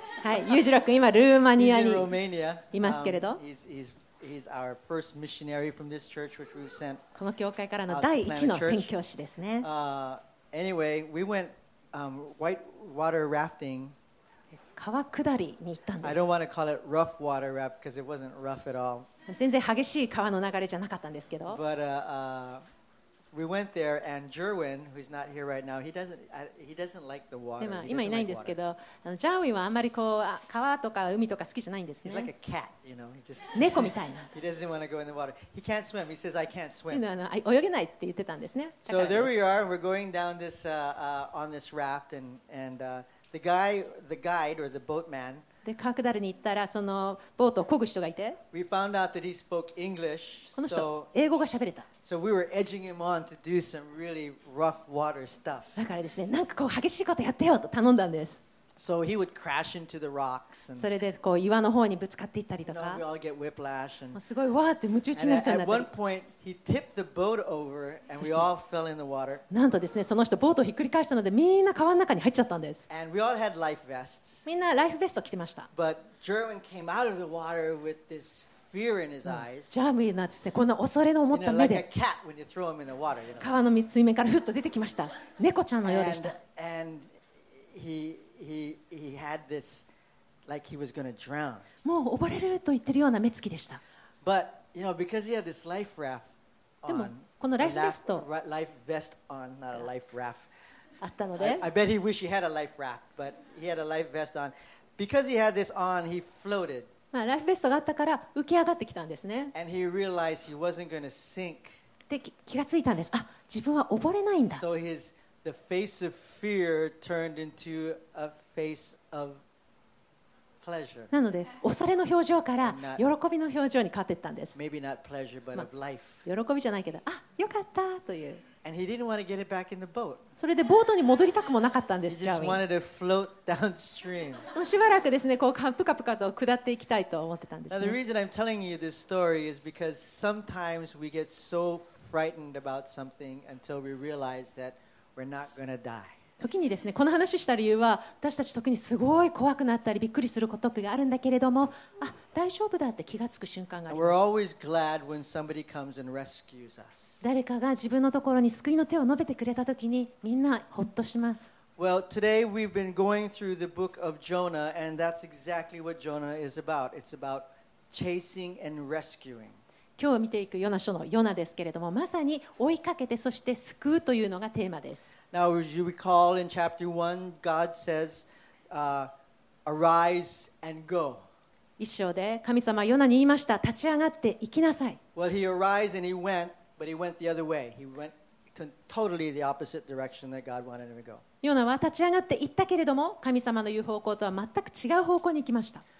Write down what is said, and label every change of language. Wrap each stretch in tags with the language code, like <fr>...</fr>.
<ja>はい、ユジロ君今ルーマニアにいますけれど。</ja> <en>He's in Romania. He's our first missionary from this church, which we've sent.</en> <ja>この教会からの第一の宣教師ですね。</ja> <en>Anyway, we went white water rafting.</en> <ja>川下りに行ったんです。</ja> <en>I don't want to call it rough water rap because it wasn't rough at all.</en> <ja>全然激しい川の流れじゃなかったんですけど。</ja> <en>But we went there and Jerwin, who's not here right now, he doesn't like the water.</en> <ja>今いないんですけど、ジャーウィンはあんまりこう川とか海とか好きじゃないんですね。</ja> <en>He's like a cat, you know. He just</en> <ja>猫みたいな。</ja> <en>He doesn't want to go in the water. He can't swim. He says I can't swim.</en> <ja>泳げないって言ってたんですね。</ja> <en>So there we are. We're going down this on this raft and. The guy, the guide or the boatman.</en> <ja>で、川下りに行ったらそのボートを漕ぐ人がいて。</ja> <en>We found out that he spoke English.</en> <ja>この人、英語が喋れた。</ja> <en>So we were edging him on to do some really rough water stuff.</en> <ja>だからですね、なんかこう激しいことやってよと頼んだんです。</ja> <en>So he would crash into the rocks. And,</en> <ja>それでこう岩の方にぶつかっていったりとか。</ja> <en>You know, we all get whiplash and,</en> <ja>すごいわーってムチ打ちになりそうになったり。</ja> <en>At one point, he tipped the boat over and we all fell in the water.</en> <ja>なんとですね、その人ボートをひっくり返したのでみんな川の中に入っちゃったんです。</ja> <en>And we all had life vests.</en> <ja>みんなライフベスト着てました。</ja> <en>But German came out of the water with this fear in his eyes.</en> <ja>ジャーミーなんですね、こんな恐れの持った目で。</ja> <en>You know, like a cat when you throw him in the water, you know?</en> <ja>川の水面からふっと出てきました。猫ちゃんのようでした。</ja> <en>He had this, like he was going to drown.</en> <ja>もう溺れると言ってるような目つきでした。</ja> <en>But you know, because he had this life raft on,</en> <ja>でもこのライフベスト、</ja> <en>life vest on, not a life raft.</en> <ja>あったので。</ja> <en>I bet he wish he had a life raft, but he had a life vest on. Because he had this on, he floated.</en> <ja>まあライフベストがあったから浮き上がってきたんですね。</ja> <en>And he realized he wasn't going to sink.</en> <ja>で気がついたんです。あ、自分は溺れないんだ。</ja> <en>So his the face of fear turned into a face of pleasure.</en> <ja>なので恐れの表情から喜びの表情に変わっていったんです。</ja> <en>Maybe not pleasure, but of life.</en> <ja>喜びじゃないけど、あ、よかったという。</ja> <en>And he didn't want to get it back in the boat.</en> <ja>それでボートに戻りたくもなかったんです。</ja> <en>He just wanted to float downstream.</en> <ja>しばらくですね、こうプカプカと下っていきたいと思ってたんですね。</ja> <en>Now the reason I'm telling you this story is because sometimes we get so frightened about something until we realize that we're not going to die.</en> <ja>時にですね、この話した理由は、私たち時にすごい怖くなったりびっくりすることがあるんだけれども、あ、大丈夫だって気がつく瞬間があります。</ja> <en>We're always glad when somebody comes and rescues us.</en> <ja>誰かが自分のところに救いの手を伸べてくれたときにみんなほっとします。</ja> <en>Well, today we've been going through the book of Jonah, and that's exactly what Jonah is about. It's about chasing and rescuing.</en> <ja>今日見ていくヨナ書のヨナですけれども、まさに追いかけてそして救うというのがテーマです。</ja> <en>Now, as you recall in chapter 1, God says, arise and go.</en> <ja>一章で神様ヨナに言いました、立ち上がって行きなさい。</ja> <en>Well, he arise and he went. But he went the other way. He went to totally the opposite direction that God wanted him to go.</en> <ja>ヨナは立ち上がって行ったけれども、神様の言う方向とは全く違う方向に行きました。</ja>